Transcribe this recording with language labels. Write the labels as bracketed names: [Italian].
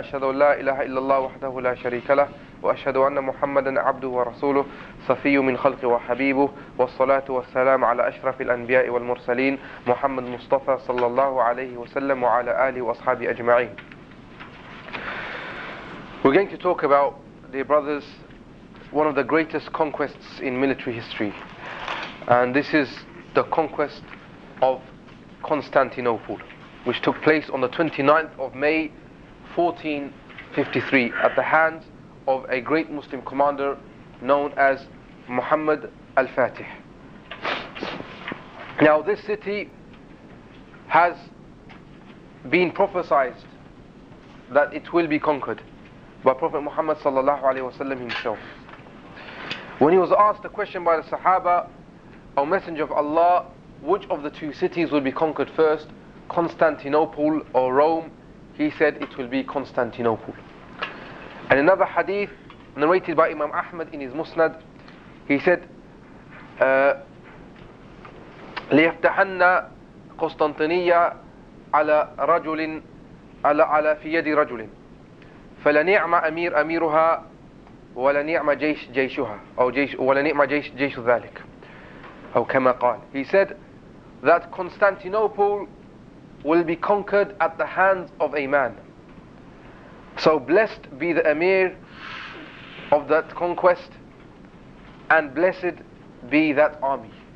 [Arabic] أشهد أن لا إله إلا الله وحده لا شريك له، وأشهد أن محمدا عبده ورسوله، صفي من خلقه وحبيبه، والصلاة والسلام على أشرف الأنبياء والمرسلين محمد مصطفى صلى الله عليه وسلم وعلى آله وأصحابه أجمعين. [English] We're going to talk about the brothers, one of the greatest conquests in military history, and this is the conquest of Constantinople, which took place on the 29th of May 1453 at the hands of a great Muslim commander known as Muhammad al-Fatih. Now this city has been prophesied that it will be conquered by Prophet Muhammad sallallahu alaihi wasallam himself. When he was asked the question by the Sahaba, O Messenger of Allah, which of the two cities will be conquered first, Constantinople or Rome? He said it will be Constantinople. And another hadith narrated by Imam Ahmad in his Musnad, he said, [Arabic] لِيَفْتَحَنَّ قُسْطَنْطِنِيَّ عَلَى رَجُلٍ عَلَى فِي يَدِ رَجُلٍ فَلَنِعْمَ أَمِيرُ أَمِيرُهَا وَلَنِعْمَ جَيْشُهَا أو جيش وَلَنِعْمَ جَيْشُ ذَلِكَ أو كما قال. [English] He said that Constantinople will be conquered at the hands of a man. So blessed be the Emir of that conquest, and blessed be that army.